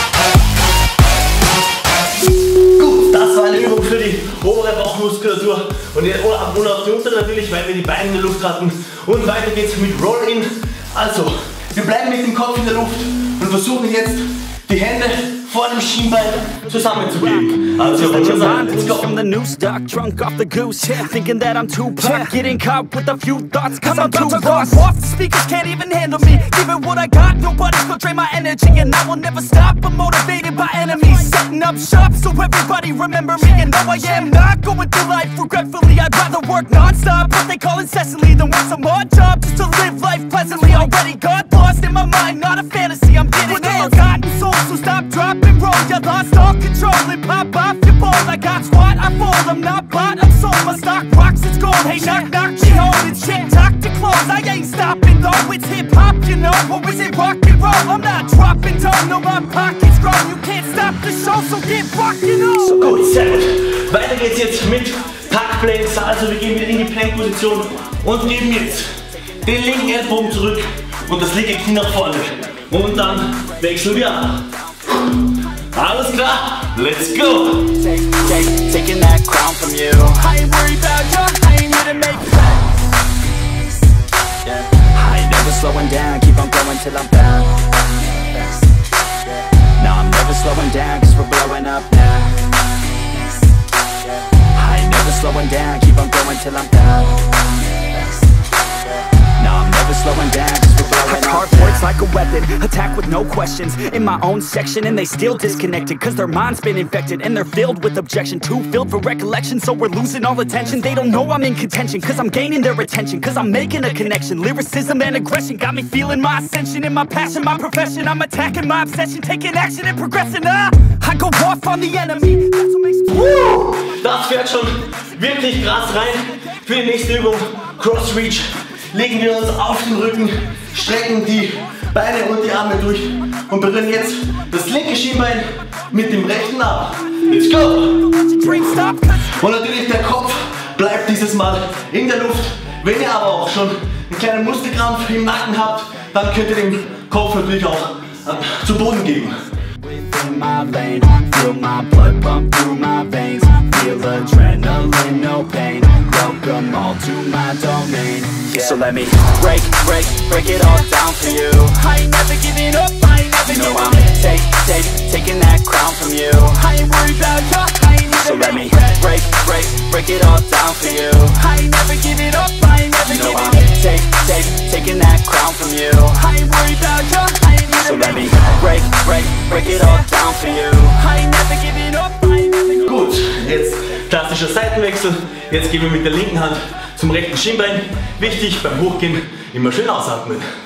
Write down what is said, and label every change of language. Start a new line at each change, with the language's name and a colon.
German: Gut, das war eine Übung für die obere Bauchmuskulatur und ab und auf die untere natürlich, weil wir die Beine in der Luft hatten. Und weiter geht's mit Roll-In. Also, wir bleiben mit dem Kopf in der Luft und versuchen jetzt die Hände vor dem Schienbein zusammenzugehen. Also,
English: let's go. I'm the new stock, drunk off the goose, yeah. Thinking that I'm too packed, yeah. Getting caught with a few thoughts, cause I'm too lost. Off the speakers, can't even handle me. Give it what I got, nobody's gonna drain my energy. And I will never stop, I'm motivated by enemies. Setting up shop so everybody remember me. And now I am not going through life regretfully. I'd rather work non-stop, what they call incessantly, than want some odd job just to live life pleasantly. Already got lost in my mind, not a fantasy. I'm getting a forgotten soul, so stop drop. You lost all control and pop off your ball. I got squat, I fold, I'm not bought, I'm sold. My stock rocks, it's gold. Hey, knock, knock, she hold, it's chick, talk to close. I ain't stopping though, it's hip hop, you know. What was it, rock and roll? I'm not dropping dough, no, my pockets grow. You can't stop the show, so get rocking on.
German: So gut, sehr gut. Weiter geht's jetzt mit Packplanks. Also, wir gehen wieder in die Plankposition und geben jetzt den linken Ellbogen zurück und das linke Knie nach vorne. Und dann wechseln wir an. Alles klar,
English: let's go! Taking that crown from you. I ain't worried about your pain, here to make friends. Yeah. I ain't never slowing down, keep on going till I'm back. Now I'm never slowing down, cause we're blowing up now. I ain't never slowing down, keep on going till I'm back. I carve words like a weapon, attack with no questions. In my own section and they still disconnected, cause their mind's been infected and they're filled with objection. Too filled for recollection, so we're losing all attention. They don't know I'm in contention, cause I'm gaining their attention, cause I'm making a connection. Lyricism and aggression got me feeling my ascension. In my passion, my profession, I'm attacking my obsession. Taking action and progressing, I go off on the enemy. That's what makes me... Woo!
German: Das fährt schon wirklich krass rein für die nächste Übung. Cross Reach. Legen wir uns auf den Rücken, strecken die Beine und die Arme durch und berühren jetzt das linke Schienbein mit dem rechten ab.
English: Let's go!
German: Und natürlich der Kopf bleibt dieses Mal in der Luft. Wenn ihr aber auch schon einen kleinen Muskelkrampf im Nacken habt, dann könnt ihr den Kopf natürlich auch zu Boden geben.
English: Within my vein, feel my blood pump through my veins. Feel adrenaline, no pain. Welcome all to my domain, yeah. So let me break, break, break it all down for you. I ain't never giving up, I ain't never giving up. You know I'm take, take, taking that crown from you. I ain't worried about your pain. So let me break, break, break it all down for you. I ain't never giving up, I ain't never giving up. You know I'm take, take, taking that crown from you. I ain't worried about your pain. So let me break, break, break it all down for you. I ain't never giving up, I ain't never giving up.
German: Gut, jetzt klassischer Seitenwechsel. Jetzt gehen wir mit der linken Hand zum rechten Schienbein. Wichtig beim Hochgehen, immer schön ausatmen.